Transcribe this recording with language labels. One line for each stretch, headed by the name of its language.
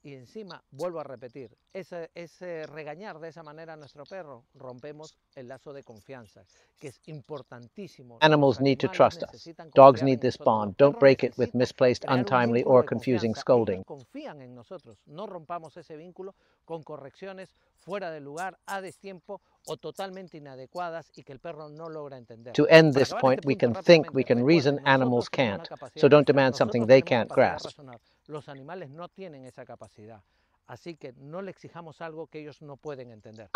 Spanish: Y encima, vuelvo a repetir, ese regañar de esa manera a nuestro perro, rompemos el lazo de confianza, que es importantísimo.
English: Animals need to trust us. Dogs need this bond. Don't break it with misplaced, untimely or confusing scolding.
Spanish: Ellos confían en nosotros. No rompamos ese vínculo con correcciones fuera de lugar, a destiempo o totalmente inadecuadas y que el perro no logra entender.
English: To end this point, we can think, we can reason, animals can't. So don't demand something they can't grasp.
Spanish: Los animales no tienen esa capacidad, así que no le exijamos algo que ellos no pueden entender.